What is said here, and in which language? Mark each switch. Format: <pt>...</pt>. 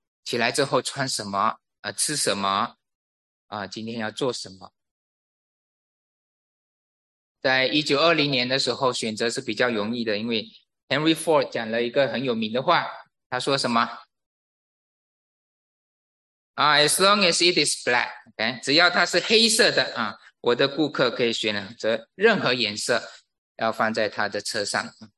<zh>起来之后穿什么啊？吃什么啊？今天要做什么？在1920年的时候，选择是比较容易的，因为 Henry Ford 讲了一个很有名的话，他说什么？</zh> <en>As long as it is black, okay?</en> <zh>只要它是黑色的啊，我的顾客可以选择任何颜色要放在他的车上。</zh>